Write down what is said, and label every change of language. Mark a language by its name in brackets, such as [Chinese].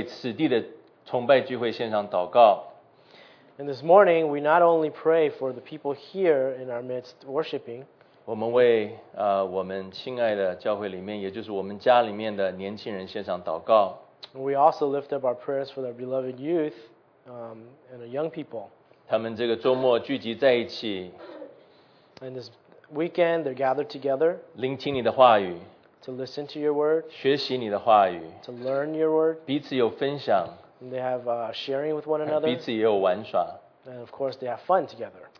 [Chinese] 主，今天早晨我们不但是为此地的崇拜聚会献上祷告。 [English] And this morning, we not only pray for the people here in our midst worshiping, [Chinese] 我们为我们亲爱的教会里面，也就是我们家里面的年轻人献上祷告。 [English] We also lift up our prayers for our beloved youth and our young people. [Chinese] 他们这个周末聚集在一起。 [English] And this weekend, they're gathered together. [Chinese] 聆听你的话语。 [English] To listen to your word. [Chinese] 学习你的话语。 [English] To learn your word. [Chinese] 彼此有分享。 [English] And they have sharing with one another. [Chinese] 彼此也有玩耍。 [English] And of course, they have fun together.